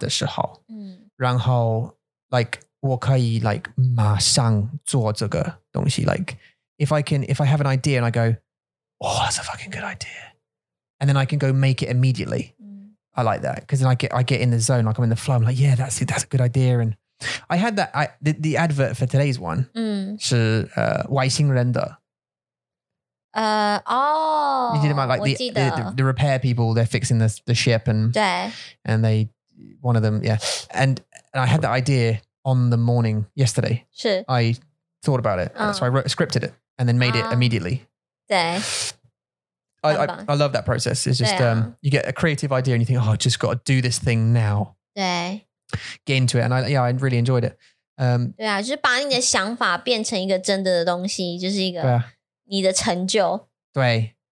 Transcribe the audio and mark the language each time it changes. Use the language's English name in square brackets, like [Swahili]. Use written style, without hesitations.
[Chinese] 我喜欢。你喜欢就是建造。对。去创造一个东西。我真的喜欢我有想法的时候，然后 like 我可以 like 马上做这个东西。 [English] Like if I have an idea and I go, oh, that's a fucking good idea. And then I can go make it immediately. I like that. Because then I get in the zone, like I'm in the flow. I'm like, yeah, that's a good idea. And I had that, the advert for today's one, [Chinese] 是, 外星人的. [English] You did it like the repair people, they're fixing the ship and they, one of them, yeah. And I had that idea on the morning yesterday. 是. I thought about it. So I scripted it and then made it immediately. I love that process. It's just you get a creative idea and you think, oh, I just got to do this thing now. Get into it. And I really enjoyed it. [Chinese] 对啊，就是把你的想法变成一个真的的东西，就是一个你的成就。对。